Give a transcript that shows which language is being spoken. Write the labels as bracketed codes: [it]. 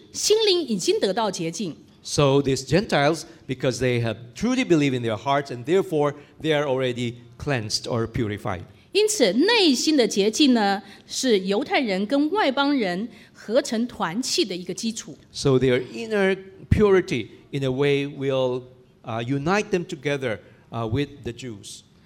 [en] so these Gentiles, because they have truly believed in their hearts, and therefore they are already cleansed or purified. [zh] 因此内心的洁净呢，是犹太人跟外邦人合成团契的一个基础。 [en] So their inner purity, in a way, will unite them together with the Jews.